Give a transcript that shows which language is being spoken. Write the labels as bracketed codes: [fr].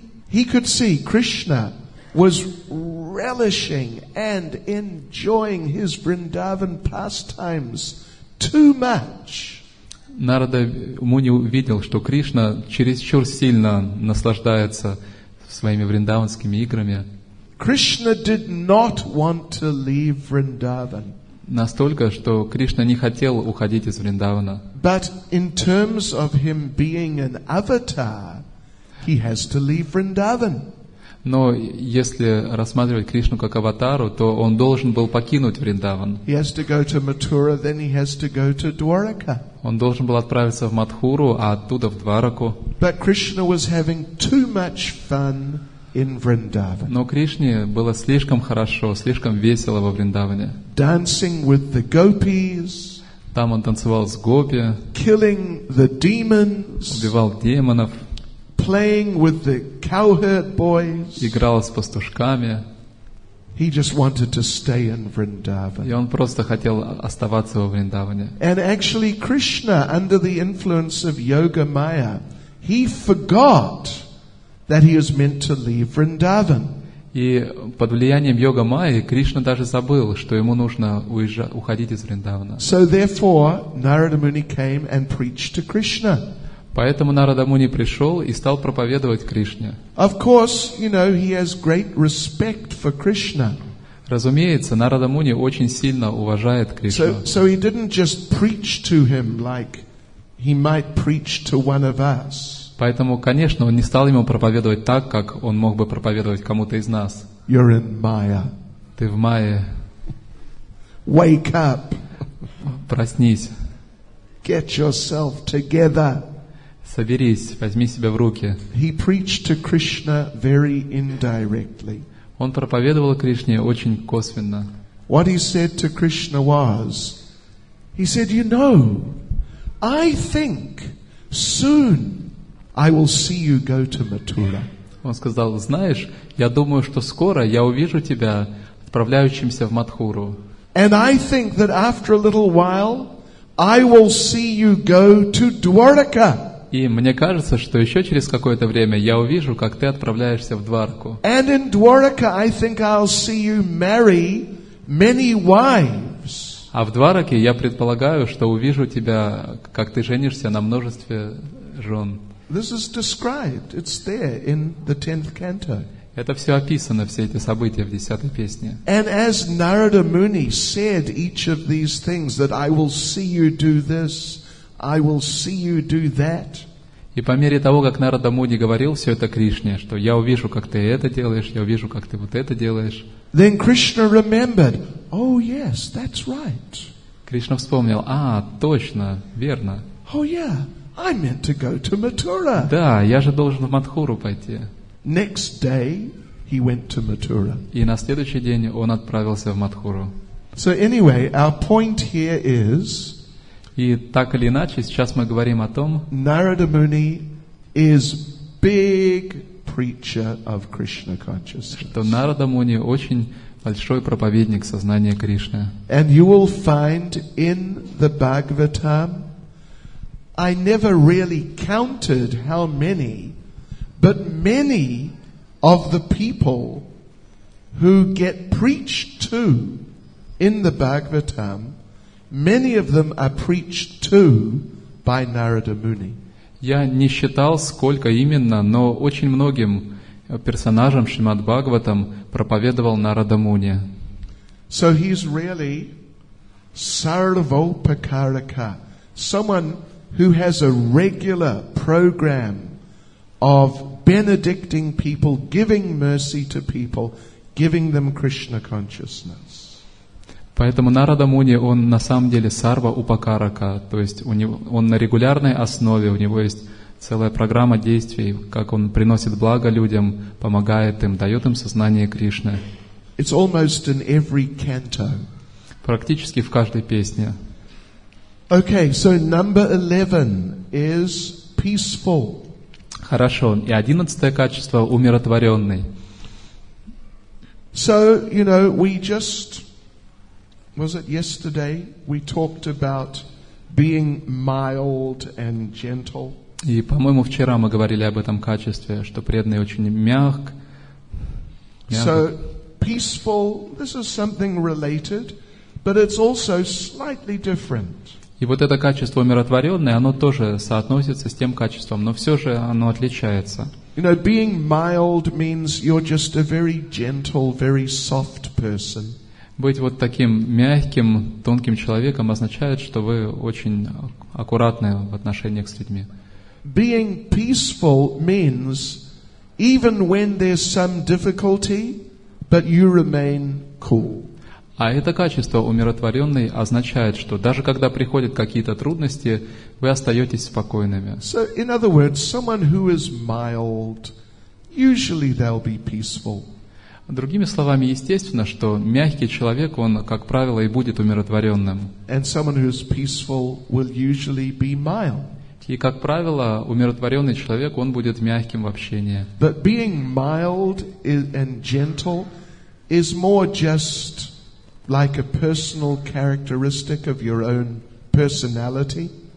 [en] He could see Krishna was relishing and enjoying his Vrindavan pastimes too much. [ru] Нарада Муни увидел, что Кришна чересчур сильно наслаждается своими вриндаванскими играми. [en] Krishna did not want to leave Vrindavan. [ru] Настолько, что Кришна не хотел уходить из Вриндавана. [en] But in terms of him being an avatar, he has to leave Vrindavan. [ru] Но если рассматривать Кришну как аватару, то он должен был покинуть Вриндаван. [en] He has to go to Mathura, then he has to go to Dwaraka. [ru] Он должен был отправиться в Матхуру, а оттуда в Двараку. [en] But Krishna was having too much fun in Vrindavan. [ru] Но Кришне было слишком хорошо, слишком весело во Вриндаване. [en] Dancing with the gopis. [ru] Там он танцевал с гопи. [en] Killing the demons. [ru] Убивал демонов. [en] Playing with the cowherd boys. [ru] Играл с пастушками. [en] He just wanted to stay in Vrindavan. [ru] И он просто хотел оставаться во Вриндаване. [en] And actually Krishna, under the influence of Yoga Maya, he forgot that he was meant to leave Vrindavan. [ru] И под влиянием Йога Майи Кришна даже забыл, что ему нужно уходить из Вриндавана. [en] So therefore Narada Muni came and preached to Krishna. [ru] Поэтому Нарада Муни пришел и стал проповедовать Кришне. [en] Of course, you know, he has great respect for Krishna. [ru] Разумеется, Нарада Муни очень сильно уважает Кришну. [en] So he didn't just preach to him like he might preach to one of us. [ru] Поэтому, конечно, он не стал ему проповедовать так, как он мог бы проповедовать кому-то из нас. [en] You're in Maya. [ru] Ты в Майе. [en] Wake up. [ru] Проснись. [en] Get yourself together. [ru] Соберись, возьми себя в руки. [en] He preached to Krishna very indirectly. [ru] Он проповедовал Кришне очень косвенно. [en] What he said to Krishna was, he said, you know, I think soon I will see you go to Mathura. [ru] Он сказал, знаешь, я думаю, что скоро я увижу тебя, отправляющимся в Матхуру. [en] And I think that after a little while, I will see you go to Dwaraka. [ru] И мне кажется, что еще через какое-то время я увижу, как ты отправляешься в Двараку. [en] And in Dwaraka, I think I'll see you marry many wives. [ru] А в Двараке я предполагаю, что увижу тебя, как ты женишься на множестве жен. [en] This is described. It's there in the 10th canto. [ru] Это все описано, все эти события в 10-й песне. [en] And as Narada Muni said each of these things, that I will see you do this, I will see you do that. [ru] И по мере того, как Нарада Муни говорил все это Кришне, что я увижу, как ты это делаешь, я увижу, как ты вот это делаешь. [en] Then Krishna remembered, oh yes, that's right. [ru] Кришна вспомнил, а, точно, верно. [en] Oh yeah, I meant to go to Mathura. [ru] Да, я же должен в Матхуру пойти. [en] Next day he went to Mathura. [ru] И на следующий день он отправился в Матхуру. [en] So anyway, our point here is. [ru] И так или иначе, сейчас мы говорим о том. [en] Narada Muni is big preacher of Krishna consciousness. [ru] Что Нарада Муни очень большой проповедник сознания Кришны. [en] And you will find in the Bhagavatam, I never really counted how many. But many of the people who get preached to in the Bhagavatam, many of them are preached to by Narada Muni. [ru] Я не считал, сколько именно, но очень многим персонажам Шримад Бхагаватам проповедовал Нарада Муни. [en] So he's really Sarvopakarika, someone who has a regular program of benedicting people, giving mercy to people, giving them Krishna consciousness. [ru] Поэтому Нарада Муни, он на самом деле сарва упакарака, то есть у него, он на регулярной основе, у него есть целая программа действий, как он приносит благо людям, помогает им, дает им сознание Кришны. [en] It's almost in every canto. [ru] Практически в каждой песне. [en] Okay, so number 11 is peaceful. [ru] Хорошо, и 11-е качество — умиротворенный. [en] So, you know, we just, was it yesterday, we talked about being mild and gentle. [ru] И, по-моему, вчера мы говорили об этом качестве, что преданный очень мягок. [en] So, peaceful, this is something related, but it's also slightly different. [ru] И вот это качество умиротворенное, оно тоже соотносится с тем качеством, но все же оно отличается. [en] You know, being mild means you're just a very gentle, very soft person. [ru] Быть вот таким мягким, тонким человеком означает, что вы очень аккуратны в отношениях с людьми. [en] Being peaceful means even when there's some difficulty, but you remain cool. [ru] А это качество умиротворенный означает, что даже когда приходят какие-то трудности, вы остаетесь спокойными. [en] So, in other words, someone who is mild, usually they'll be peaceful. [ru] Другими словами, естественно, что мягкий человек, он, как правило, и будет умиротворенным. [en] And someone who is peaceful will usually be mild. [ru] И, как правило, умиротворенный человек, он будет мягким в общении. [en] But being mild and gentle is more just like a personal characteristic of your own personality.